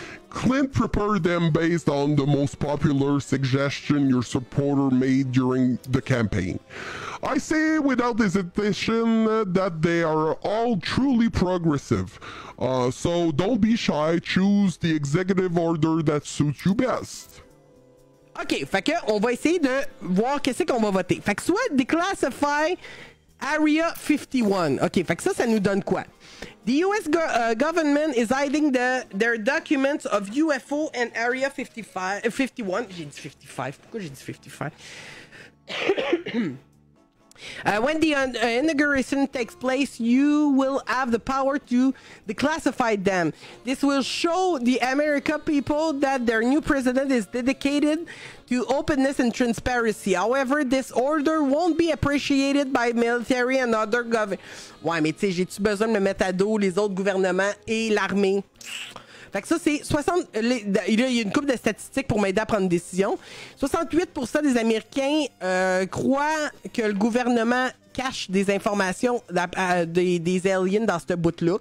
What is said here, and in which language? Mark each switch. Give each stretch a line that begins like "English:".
English: Clint prepared them based on the most popular suggestion your supporter made during the campaign. I say without hesitation that they are all truly progressive. So don't be shy, choose the executive order that suits you best.
French: OK, fait que on va essayer de voir qu'est-ce qu'on va voter. Fait que soit déclassify Area 51. OK, fait que ça nous donne quoi? The U.S.
English: government is hiding their documents of UFO and Area 51.
French: J'ai dit 55. Pourquoi j'ai dit 55?
English: when the inauguration takes place, you will have the power to declassify them. This will show the American people that their new president is dedicated to openness and transparency. However, this order won't be appreciated by military and other government.
French: Ouais, mais tu sais, j'ai-tu besoin de me mettre à dos les autres gouvernements et l'armée? Fait que ça, c'est 60... Il y a une couple de statistiques pour m'aider à prendre une décision. 68% des Américains croient que le gouvernement cache des informations des aliens dans ce bout-là.